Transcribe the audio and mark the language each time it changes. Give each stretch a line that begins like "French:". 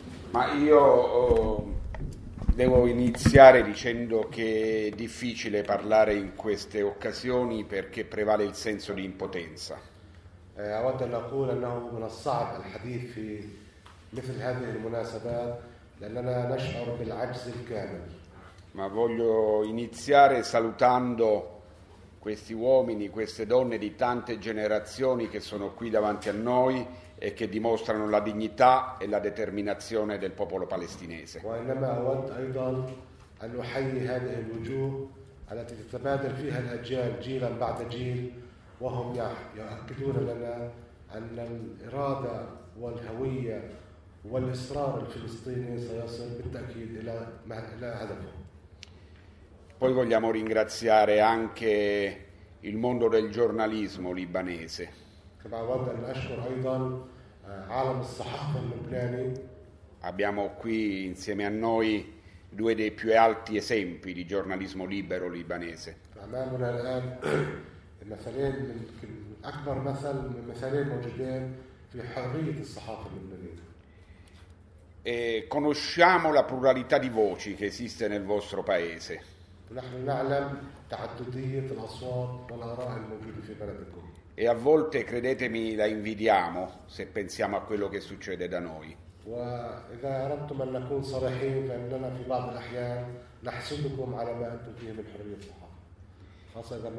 Italian: Ma io devo iniziare dicendo che è difficile parlare in queste occasioni perché prevale il senso di impotenza.
Arabic: أود أن أقول أنه من الصعب الحديث في مثل هذه المناسبات لأننا نشعر بالعجز الكامل.
Italian: Ma voglio iniziare salutando questi uomini, queste donne di tante generazioni che sono qui davanti a noi e che dimostrano la dignità e la determinazione del popolo palestinese.
Arabic: وإنما أود أيضا أن أحيي هذه الوجوه التي تتبادر فيها الأجيال جيلا بعد جيل. وهم يؤكدون لنا أن الإرادة والهوية والإصرار الفلسطيني سيصل بالتأكيد إلى هدفه.
Italian: Poi vogliamo ringraziare anche il mondo del giornalismo libanese.
Arabic: كما أود أن أشكر أيضا عالم الصحافة اللبناني.
Italian: Abbiamo qui insieme a noi due dei più alti esempi di giornalismo libero libanese.
Arabic: أمامنا الآن مثالين من أكبر مثل من مثالين موجودين في حرية الصحافة اللبنانية.
Italian: Conosciamo la pluralità di voci che esiste nel vostro paese.
Arabic: نحن نعلم تعددية الأصوات والآراء الموجودة في بلدكم.
Italian: E a volte, credetemi, la invidiamo se pensiamo a quello che succede da noi.
Arabic: وإذا أردتم أن نكون صريحين فإننا في بعض الأحيان نحسدكم على ما أنتم فيه من حرية الصحافة.